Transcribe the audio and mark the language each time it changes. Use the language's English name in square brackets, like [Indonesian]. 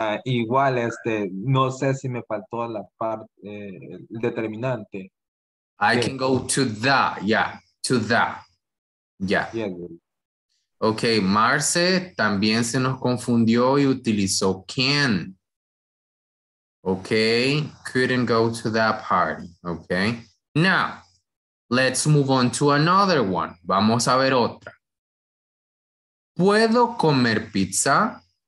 [Spanish] Igual, no sé si me faltó la parte determinante. [English] I can go to that, yeah, to that. Yeah. Yeah. [Spanish] Ok, Marce también se nos confundió y utilizó can. [English] Okay, couldn't go to that party, okay? Now, let's move on to another one. [Spanish] Vamos a ver otra. ¿Puedo comer pizza?